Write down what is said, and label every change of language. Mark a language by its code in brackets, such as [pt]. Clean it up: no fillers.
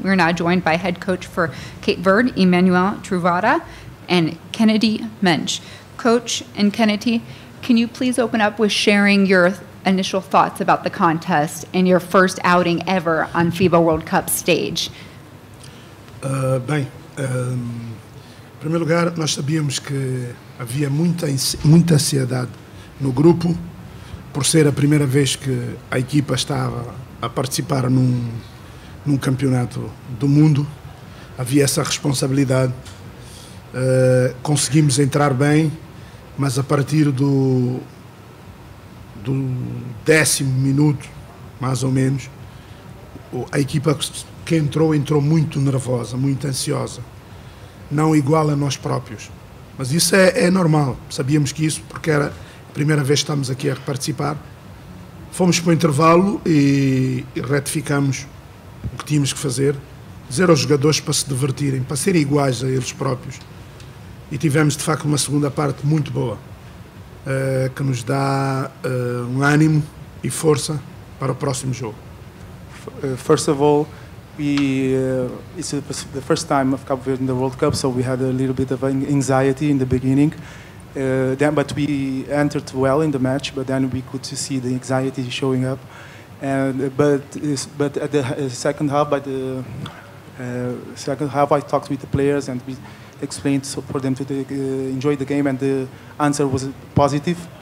[en] We're now joined by head coach for Cape Verde, Emmanuel Truvada, and Kennedy Mensch. Coach and Kennedy, can you please open up with sharing your initial thoughts about the contest and your first outing ever on FIBA World Cup stage? [pt] Em primeiro lugar, nós sabíamos que havia muita ansiedade no grupo, por ser a primeira vez que a equipa estava a participar num campeonato do mundo. Havia essa responsabilidade. Conseguimos entrar bem, mas a partir do décimo minuto, mais ou menos, a equipa que entrou muito nervosa, muito ansiosa. Não igual a nós próprios. Mas isso é normal. Sabíamos que isso, porque era a primeira vez que estamos aqui a participar. Fomos para o intervalo e retificamos o que tínhamos que fazer. Dizer aos jogadores para se divertirem, para serem iguais a eles próprios. E tivemos, de facto, uma segunda parte muito boa, que nos dá um ânimo e força para o próximo jogo. [en] First of all, it's the first time of Cape Verde in the World Cup, so we had a little bit of anxiety in the beginning. But we entered well in the match, but then we could see the anxiety showing up. But at the second half, I talked with the players and we explained for them to enjoy the game, and the answer was positive.